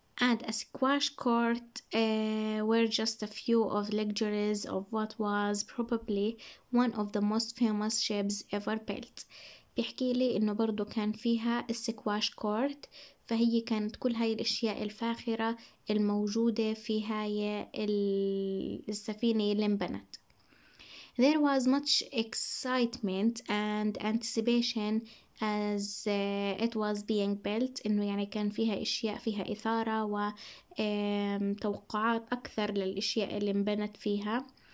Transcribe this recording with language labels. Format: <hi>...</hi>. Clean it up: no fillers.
<en>And a squash court were just a few of luxuries of what was probably one of the most famous ships ever built.</en> <ar>بيحكي لي إنه برضو كان فيها السكواش كورت فهي كانت كل هاي الأشياء الفاخرة الموجودة في هاي السفينة اللي انبنت.</ar> <en>There was much excitement and anticipation as it was being built.</en> <ar>إنه يعني كان فيها أشياء فيها إثارة وتوقعات أكثر للأشياء اللي انبنت فيها.</ar>